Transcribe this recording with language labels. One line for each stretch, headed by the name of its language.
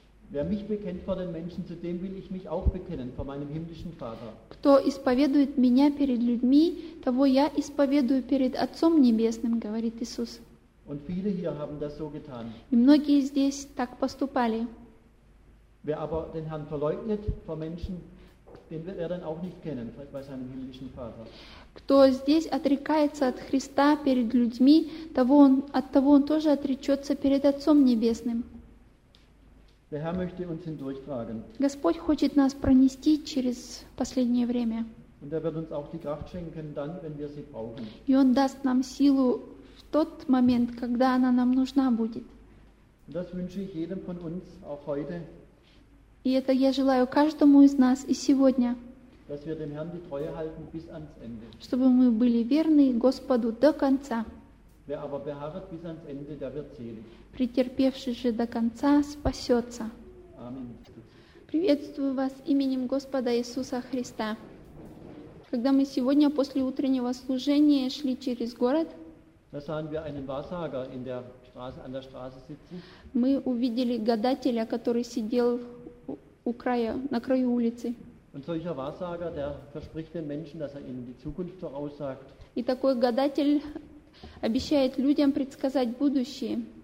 German: Wer mich bekennt vor den Menschen, zu dem will ich mich auch bekennen vor meinem himmlischen Vater.
Russian: Кто исповедует меня перед людьми, того я исповедую перед Отцом небесным, говорит Иисус.
German: Und viele hier haben das so getan.
Russian: И многие здесь так поступали.
German: Wer aber den Herrn verleugnet vor Menschen, den wird er dann auch nicht kennen bei seinem himmlischen Vater.
Russian: Кто здесь отрекается от Христа перед людьми, того он, от того он тоже отречется перед Отцом небесным.
German: Der Herr möchte uns hindurchtragen.
Russian: Господь хочет нас пронести через последнее время.
German: Und er wird uns auch die Kraft schenken, dann, wenn wir sie brauchen.
Russian: И Он даст нам силу в тот момент, когда она нам нужна будет.
German: Und das wünsche ich jedem von uns auch heute.
Russian: И это я желаю каждому из нас и сегодня.
German: Dass wir dem Herrn die Treue halten bis ans Ende.
Russian: Чтобы мы были верны Господу до конца.
German: Wer aber beharrt bis ans Ende, der wird selig.
Russian: Претерпевший же до конца спасется.
German: Amen.
Russian: Приветствую вас именем Господа Иисуса Христа. Когда мы сегодня после утреннего служения шли через город,
German: da sahen wir einen Wahrsager in der Straße, an der Straße sitzen.
Russian: Мы увидели гадателя, который сидел у края, на краю улицы.
German: Und solcher Wahrsager, der verspricht den Menschen, dass er ihnen die Zukunft voraussagt.
Russian: И такой гадатель обещает людям предсказать будущее.